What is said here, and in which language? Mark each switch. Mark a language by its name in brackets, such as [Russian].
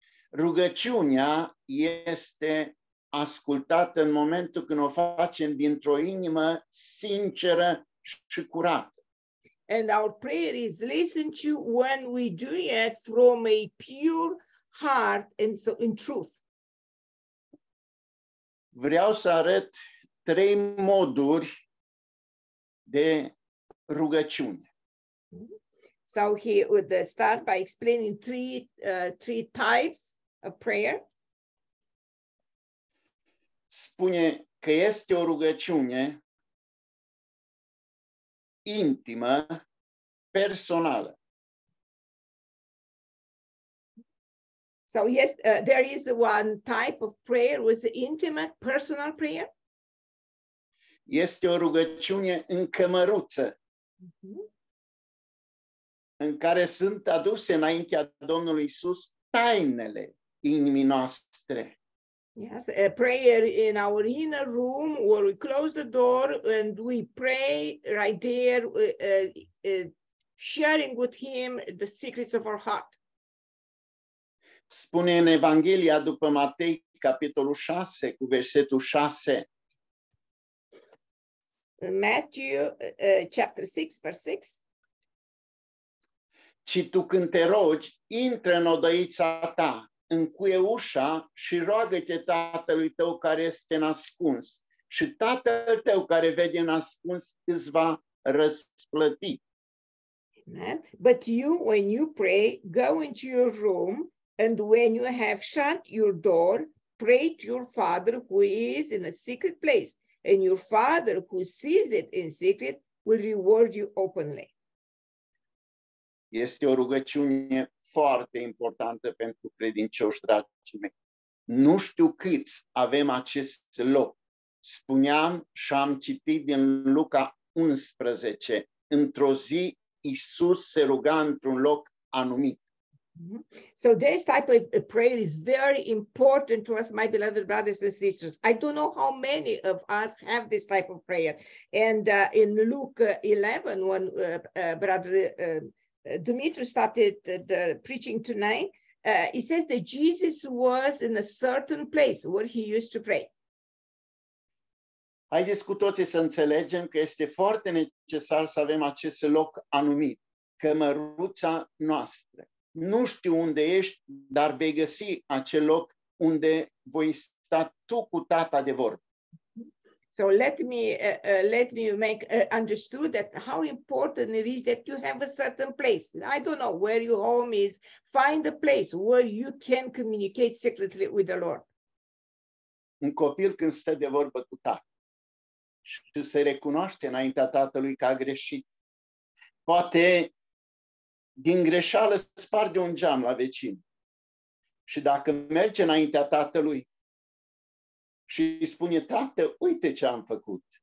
[Romanian] Rugăciunea este ascultată în momentul când o facem dintr-o inimă sinceră și curată. [English] And our prayer is listened to when we do it from a pure heart and so in truth. [Romanian] Vreau să arăt trei moduri de rugăciune. [English] So he would start by explaining three types of prayer. [Romanian] Spune, că este o rugăciune intimă, personală. [English] So yes, there is one type of prayer with the intimate personal prayer. [Romanian] Este o rugăciune în cămăruță. Mm-hmm. În care sunt aduse înaintea Domnului Iisus tainele inimii noastre. [English] Yes, a prayer in our inner room where we close the door and we pray right there, sharing with him the secrets of our heart. [Romanian] Spune în Evanghelia după Matei, capitolul 6, cu versetul 6. [English] Matthew, chapter 6, verse 6. [Romanian] Ci tu când te rogi, intră în odăița ta, încuie ușa și roagă-te tatălui tău care este nascuns. Și tatăl tău care vede nascuns îți va răsplăti. Amen. [English] But you, when you pray, go into your room. And when you have shut your door, pray to your father who is in a secret place. And your father who sees it in secret will reward you openly. [Romanian] Este o rugăciune foarte importantă pentru credincioși, dragii mei. Nu știu câți avem acest loc. Spuneam și am citit din Luca 11. Într-o zi, Iisus se ruga într-un loc anumit. [English] So this type of prayer is very important to us, my beloved brothers and sisters. I don't know how many of us have this type of prayer. And in Luke 11, when Brother Dumitru started the preaching tonight, he says that Jesus was in a certain place where he used to pray. [Romanian] Haideți cu toții să înțelegem că este foarte necesar să avem acest loc anumit, cămăruța noastră. Nu știu unde ești, dar vei găsi acel loc unde voi sta tu cu tata de vorbă. [English] So let me make understood that how important it is that you have a certain place. I don't know where your home is. Find a place where you can communicate secretly with the Lord. [Romanian] Un copil când stă de vorbă cu tata și se recunoaște înaintea tatălui că a greșit, poate din greșeală sparge un geam la vecin. Și dacă merge înaintea tatălui și îi spune, tată, uite ce am făcut.